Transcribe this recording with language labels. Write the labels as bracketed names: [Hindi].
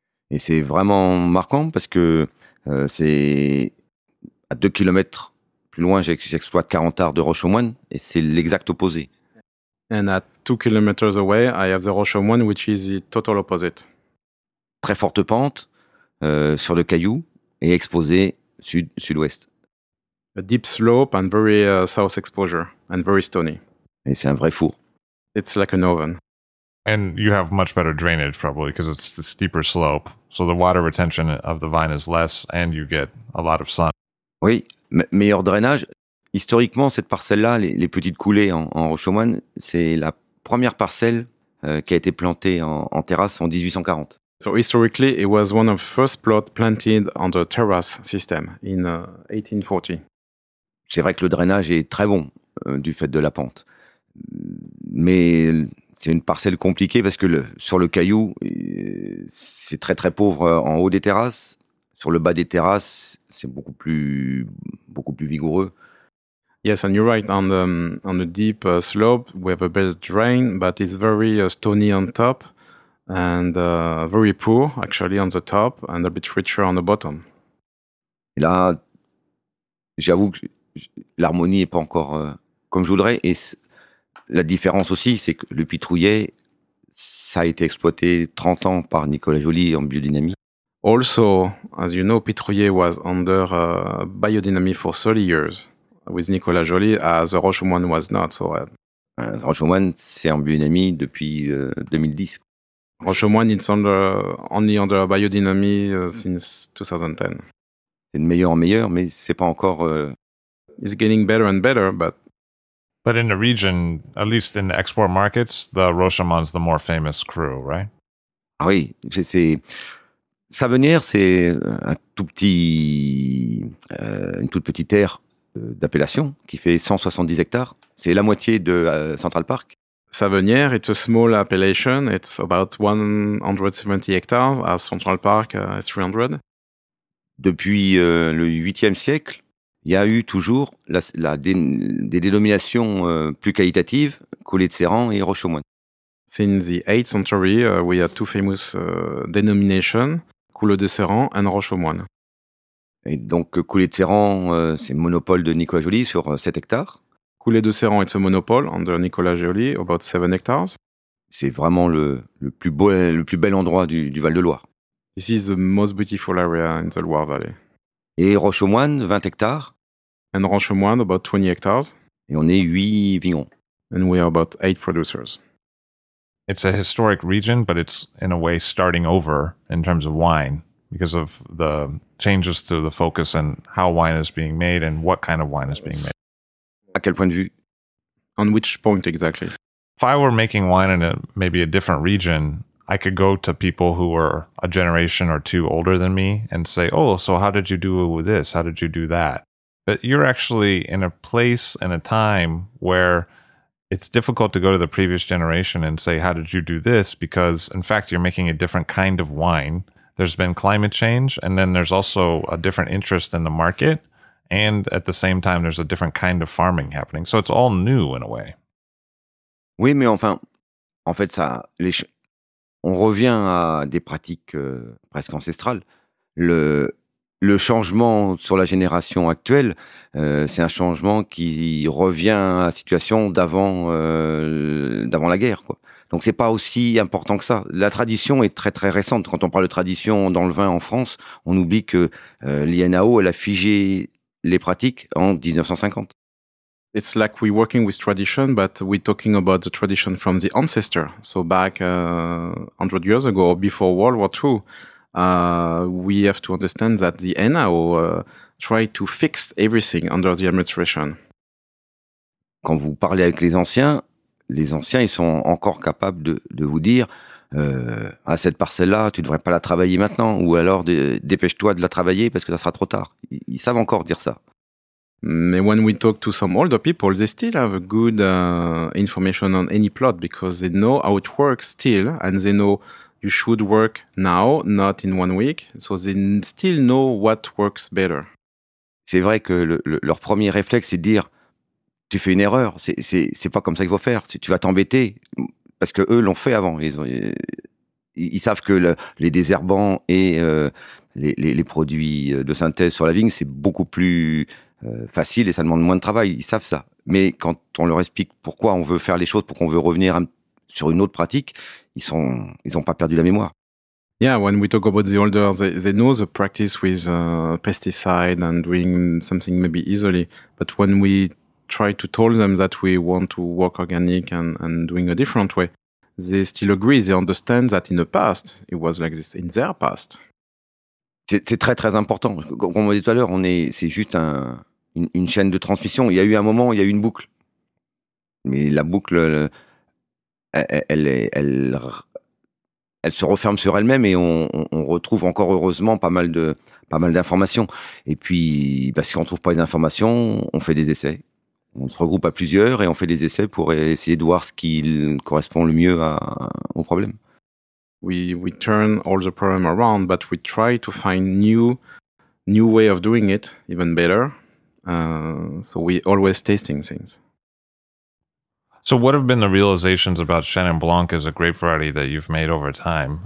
[French] Et c'est vraiment marquant parce que c'est à 2 km plus loin, j'exploite 40 arts de roche aux moines et c'est l'exact opposé. [English] And at 2 km away, I have the roche aux moines which is the total opposite. [French] Très forte pente sur le caillou et exposé sud-sud-ouest. [English] A deep slope and very south exposure and very stony. [French] Et c'est un vrai four. [English] It's like an oven. And you have much better drainage probably because it's the steeper slope. So the water retention of the vine is less and you get a lot of sun. [French] Oui, meilleur drainage. Historiquement, cette parcelle-là, les petites coulées en roche aux moines, c'est la première parcelle qui a été plantée en terrasse en 1840. So historically, it was one of the first plots planted on the terrace system in 1840. C'est vrai que le drainage est très bon du fait de la pente. Mais c'est une parcelle compliquée parce que sur le caillou, c'est très très pauvre en haut des terrasses. Sur le bas des terrasses, c'est beaucoup plus vigoureux. [English] Yes, and you're right. On the deep slope, we have a better drain, but it's very stony on top. And very poor, actually, on the top, and a bit richer on the bottom. [French] Et là, j'avoue que l'harmonie n'est pas encore comme je voudrais. Et la différence aussi, c'est que le Pitroulet, ça a été exploité 30 ans par Nicolas Joly en biodynamie. [English] Also, as you know, Pitroulet was under biodynamy for 30 years with Nicolas Joly, as the roche aux moines was not. So, [French] roche aux moines, c'est en biodynamie depuis 2010. [English] Roche aux moines, it's only under biodynamy since 2010. [French] C'est de meilleur en meilleur, mais c'est pas encore. [English] It's getting better and better, but. But in the region, at least in the export markets, the roche aux moines the more famous crew, right? [French] Ah oui, c'est. Savennières, c'est un tout petit. Une toute petite aire d'appellation qui fait 170 hectares. C'est la moitié de Central Park. [English] Savennières, it's a small appellation. It's about 170 hectares. À Central Park, it's 300. [French] Depuis le 8e siècle, il y a eu toujours des dénominations plus qualitatives, Collet de Serrant et Roche aux Moines. [English] Since the 8th century, we had two famous denominations, Coulée de Séran and Roche-aux-Moines. [French] Et donc, Coulée de Séran, c'est monopole de Nicolas Joly sur 7 hectares. [English] Coulée de Séran, it's a monopole under Nicolas Joly, about 7 hectares. [French] C'est vraiment le plus bel endroit du Val-de-Loire. [English] This is the most beautiful area in the Loire Valley. [French] Et Roche-aux-Moines, 20 hectares. [English] And Roche-aux-Moines, about 20 hectares. [French] Et on est 8 vignerons. [English] And we are about 8 producers. It's a historic region, but it's in a way starting over in terms of wine because of the changes to the focus and how wine is being made and what kind of wine is being made. [French] À quel point de vue? [English] On which point exactly? If I were making wine in maybe a different region, I could go to people who were a generation or two older than me and say, oh, so how did you do this? How did you do that? But you're actually in a place and a time where it's difficult to go to the previous generation and say, how did you do this? Because, in fact, you're making a different kind of wine. There's been climate change, and then there's also a different interest in the market. And at the same time, there's a different kind of farming happening. So it's all new in a way. [French] Oui, mais enfin, en fait, ça, on revient à des pratiques presque ancestrales. Le changement sur la génération actuelle, c'est un changement qui revient à la situation d'avant la guerre, quoi. Donc, ce n'est pas aussi important que ça. La tradition est très, très récente. Quand on parle de tradition dans le vin en France, on oublie que l'INAO, elle a figé les pratiques en 1950. [English] It's like we're working with tradition, but we're talking about the tradition from the ancestor. So back 100 years ago, before World War II, we have to understand that the NAO tried to fix everything under the administration. [French] Quand vous parlez avec les anciens, ils sont encore capables de vous dire à cette parcelle-là, tu ne devrais pas la travailler maintenant, ou alors dépêche-toi de la travailler parce que ça sera trop tard. Ils savent encore dire ça. [English] But when we talk to some older people, they still have a good information on any plot because they know how it works still, and they know you should work now, not in 1 week. So they still know what works better. [French] C'est vrai que leur premier réflexe, c'est de dire, tu fais une erreur, c'est pas comme ça qu'il faut faire, tu vas t'embêter, parce qu'eux l'ont fait avant. Ils savent que les désherbants et les produits de synthèse sur la vigne, c'est beaucoup plus facile et ça demande moins de travail, ils savent ça. Mais quand on leur explique pourquoi on veut faire les choses, pourquoi on veut revenir sur une autre pratique, ils ont pas perdu la mémoire. [English] Yeah, when we talk about the older, they know the practice with pesticide and doing something maybe easily. But when we try to tell them that we want to work organic and doing a different way, they still agree, they understand that in the past, it was like this, in their past. [French] C'est très, très important. Comme on m'a dit tout à l'heure, c'est juste une chaîne de transmission. Il y a eu un moment, il y a eu une boucle. Mais la boucle, elle se referme sur elle-même et on retrouve encore heureusement pas mal d'informations. Et puis, parce qu'on ne trouve pas les informations, on fait des essais. On se regroupe à plusieurs et on fait des essais pour essayer de voir ce qui correspond le mieux au problème. [English] We turn all the problem around, but we try to find new way of doing it, even better. So we always tasting things. So what have been the realizations about Chenin Blanc as a grape variety that you've made over time?